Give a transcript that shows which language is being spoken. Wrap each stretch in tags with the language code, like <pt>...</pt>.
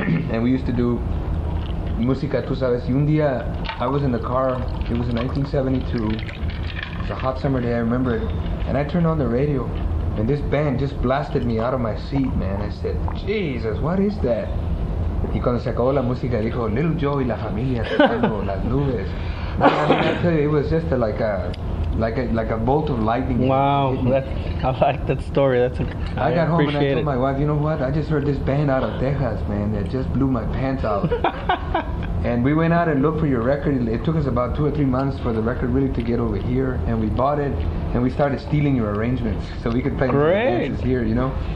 <en>And we used to do</en> <es>música, tú sabes. Y un día,</es> <en>I was in the car. It was in 1972. It was a hot summer day, I remember it. And I turned on the radio, and this band just blasted me out of my seat, man. I said, Jesus, what is that?</en> <es>Y cuando se acabó la música, dijo, Little Joe y la familia, las nubes.</es> <en>I tell you, it was just like a bolt of lightning. Wow, I like that story. I got home and I told my wife, you know what? I just heard this band out of Texas, man. That just blew my pants out. And we went out and looked for your record. It took us about 2 or 3 months for the record really to get over here. And we bought it, and we started stealing your arrangements so we could play the dances here, you know?</en>